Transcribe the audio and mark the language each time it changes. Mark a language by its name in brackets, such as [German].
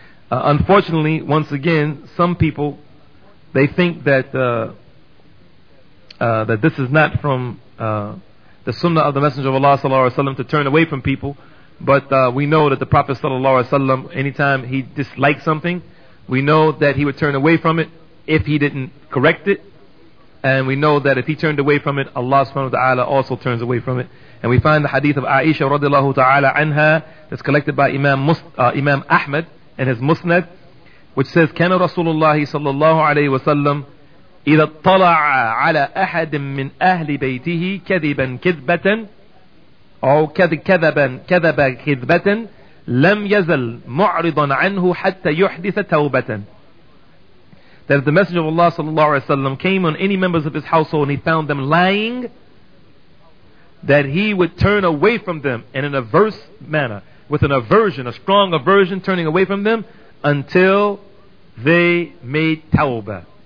[English] Unfortunately, once again, some people, they think that that this is not from the sunnah of the Messenger of Allah sallallahu alaihi wasallam to turn away from people, but we know that the Prophet sallallahu alaihi wasallam, anytime he disliked something, we know that he would turn away from it if he didn't correct it, and we know that if he turned away from it, Allah subhanahu wa ta'ala also turns away from it. And we find the hadith of Aisha radiallahu ta'ala anha that's collected by Imam Ahmad in his Musnad, which says, [Arabic] كَانَ رَسُولُ اللَّهِ صَلَّى اللَّهُ عَلَيْهِ وَسَلَّمْ إِذَا اطَّلَعَ عَلَى أَحَدٍ مِّنْ أَهْلِ بَيْتِهِ كَذِبًا كِذْبَةً أو كَذِبًا كَذَبَ كِذْبَةً لَمْ يَزَلْ مُعْرِضًا عَنْهُ حَتَّى يُحْدِثَ تَوْبَةً. [English] That if the Messenger of Allah sallallahu alayhi wa sallam came on any members of his household and he found them lying, that he would turn away from them in an averse manner, with an aversion, a strong aversion, turning away from them until they made tawbah.